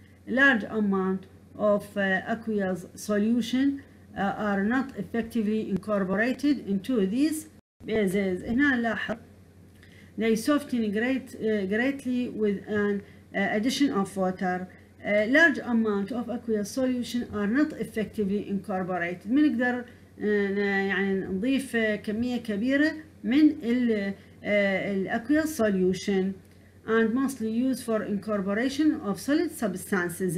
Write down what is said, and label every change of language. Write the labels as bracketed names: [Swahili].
[English] Large amount of aqueous solution are not effectively incorporated into these bases. هنا نلاحظ they soften greatly with an addition of water. Large amount of aqueous solution are not effectively incorporated. [Arabic] ما نقدر يعني نضيف كمية كبيرة من الأكويوس solution. [English] And mostly used for incorporation of solid substances.